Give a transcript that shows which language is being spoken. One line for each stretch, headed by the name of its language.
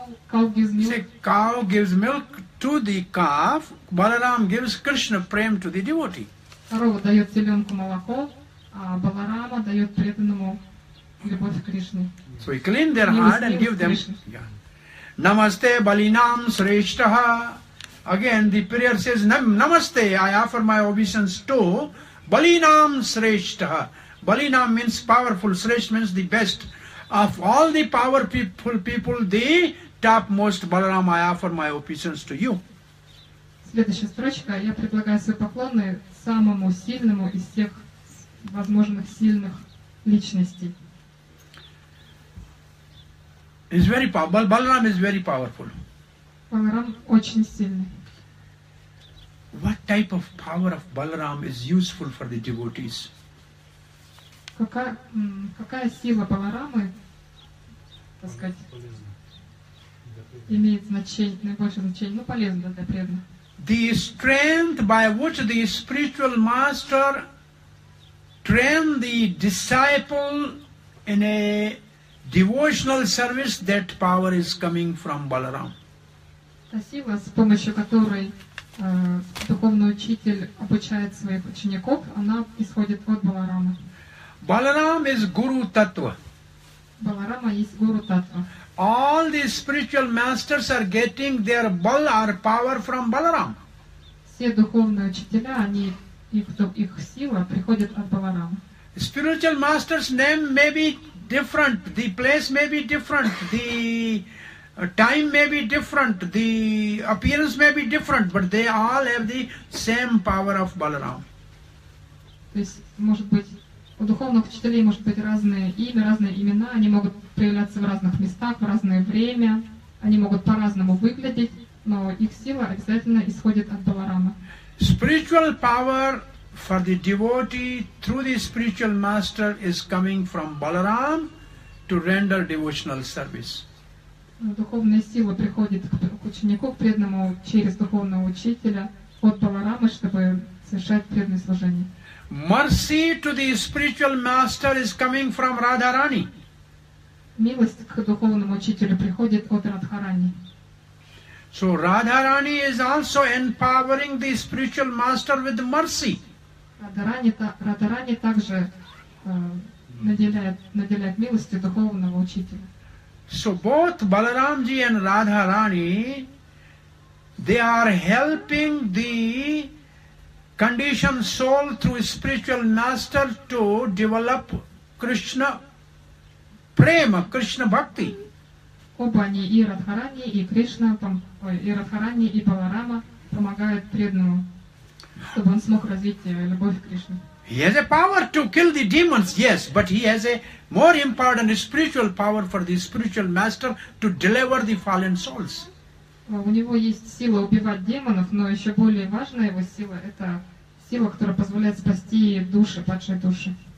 English: Cow gives milk to the calf. Balaram gives Krishna prem to the devotee.
Russian: Корова дает теленку молоко, а Баларама дает преданному любовь к Кришне.
English: So he clean their heart and give them. Namaste Balinam Sreshtaha. Again, the prayer says, Namaste. I offer my obeisance to Balinam Sreshtaha. Balina means powerful, Shrestha means the best. Of all the powerful people, the topmost Balaram, I offer my obeisance to you.
Russian: Следующая строчка. Я предлагаю свои поклоны самому сильному из всех возможных сильных личностей.
English: Is very powerful. Balaram is very powerful.
Russian: Balaram очень сильный.
English: What type of power of Balaram is useful for the devotees?
Russian: Какая сила Баларамы, так сказать, имеет значение, наибольшее значение, ну, полезно для преданных?
English: The strength by which the spiritual master trained the disciple in a devotional service, that power is coming from Balaram.
Russian: Та сила, с помощью которой духовный учитель обучает своих учеников, она исходит от Баларамы.
English: Balaram is Guru Tattva. Balarama is Guru Tattva. All the spiritual masters are getting their bal or power from Balaram.
Russian: Все духовные учителя, они их сила приходит от Баларамы.
English: Spiritual master's name may be different, the place may be different, the time may be different, the appearance may be different, but they all have the same power of Balaram.
Russian: То есть, может быть, у духовных учителей может быть разные имя, разные имена, они могут появляться в разных местах, в разное время, они могут по-разному выглядеть, но их сила обязательно исходит от Баларамы.
English: Spiritual power for the devotee through the spiritual master is coming from Balaram to render devotional service.
Russian: Духовная сила приходит к ученику, к преданному через духовного учителя от Баларамы, чтобы совершать преданное служение.
English: Mercy to the spiritual master is coming from Radharani.
Russian: Милость к духовному учителю приходит от Радхарани.
English: So Radharani is also empowering the spiritual master with mercy.
Russian: Радхарани также наделяет милостью духовного учителя.
English: So both Balaramji and Radharani, they are helping the conditioned soul through a spiritual master to develop Krishna prema, Krishna bhakti.
Russian: Оба они, и Радхарани, и Кришна, и Радхарани, и Баларама помогают преданному, чтобы он смог развить любовь к Кришне.
English: He has a power to kill the demons, yes, but he has a more important spiritual power for the spiritual master to deliver the fallen souls.
Russian: У него есть сила убивать демонов, но еще более важная его сила – это сила, которая позволяет спасти души, падшие души.